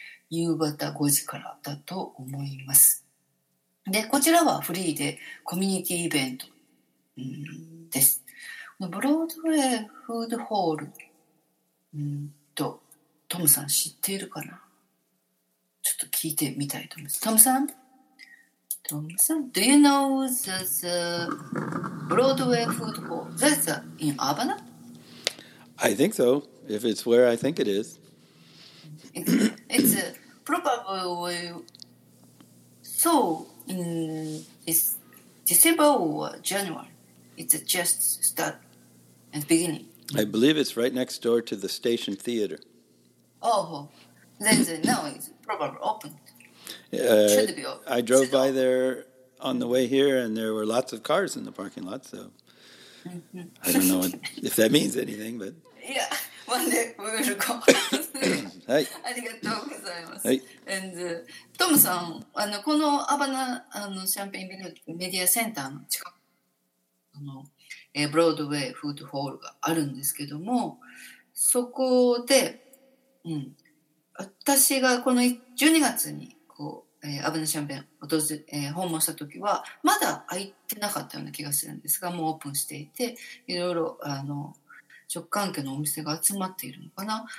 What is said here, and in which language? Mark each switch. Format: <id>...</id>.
<ja>夕方5時からだと思います。で、こちらはフリーでコミュニティイベントです。ブロードウェイフードホール、トムさん知っているかな？ちょっと聞いてみたいと思います。</ja> <en>トムさん、Do you know the Broadway food hall? That's in Urbana? I think so, if it's where I think it is. It's probably so. It's December or January. It's just start and beginning. I believe it's right next door to the Station Theater. Oh, then now it's probably open. Should be open. I drove by there on the way here, and there were lots of cars in the parking lot, so I don't know if that means anything, but... Yeah, one day we will go. Hi.</en> <ja>ありがとうございます。And, トムさん、このアバナシャンペーンメディアセンターの近くのブロードウェイフードホールがあるんですけども、そこで、私がこの12月にこう、アバナシャンペーンを訪問した時は、まだ開いてなかったような気がするんですが、もうオープンしていて、いろいろ、食関係のお店が集まっているのかな。</ja>